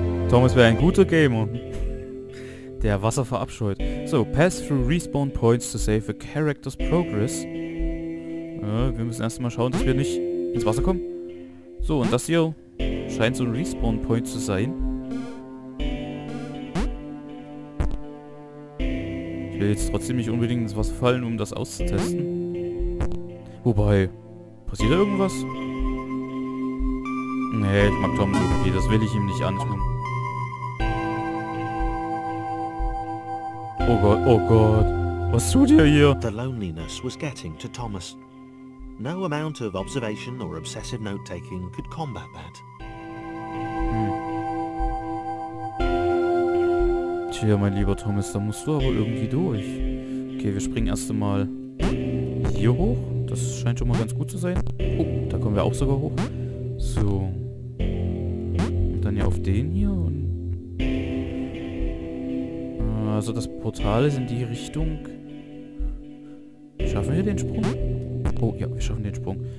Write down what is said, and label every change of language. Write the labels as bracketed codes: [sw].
[de] Thomas wäre ein guter Gamer, der Wasser verabscheut. [en] So, pass through respawn points to save a character's progress. [de] Ja, wir müssen erst mal schauen, dass wir nicht ins Wasser kommen. So, und das hier scheint so ein respawn point zu sein. Ich will jetzt trotzdem nicht unbedingt ins Wasser fallen, um das auszutesten. Wobei, passiert da irgendwas? Nee, ich mag Tom so viel, das will ich ihm nicht antun. Oh Gott, was tut ihr hier? [en] The loneliness was getting to Thomas. No amount of observation or obsessive note-taking could combat that. [de] Tja, mein lieber Thomas, da musst du aber irgendwie durch. Okay, wir springen erst einmal hier hoch. Das scheint schon mal ganz gut zu sein. Oh, da kommen wir auch sogar hoch. So. Und dann ja auf den hier. Und also das Portal ist in die Richtung. Schaffen wir den Sprung? Oh ja, wir schaffen den Sprung.